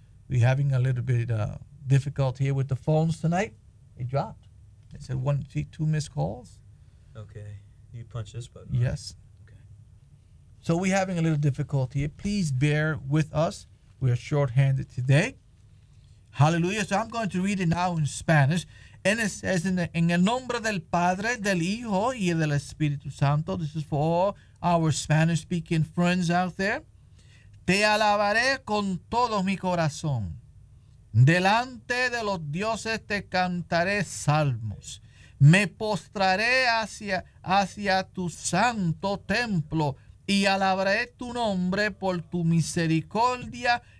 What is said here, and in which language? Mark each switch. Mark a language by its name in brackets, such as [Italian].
[English] We're having a little bit of difficulty here with the phones tonight. It dropped. It said two missed calls. Okay. You punch this button. Yes. Okay. So we're having a little difficulty here. Please bear with us. We are shorthanded today. Hallelujah. So I'm going to read it now in Spanish. And it says, [Spanish] en el nombre del Padre, del Hijo, y del Espíritu Santo. [English] This is for all our Spanish-speaking friends out there. [Spanish] Te alabaré con todo mi corazón. Delante de los dioses te cantaré salmos. Me postraré hacia tu santo templo y alabaré tu nombre por tu misericordia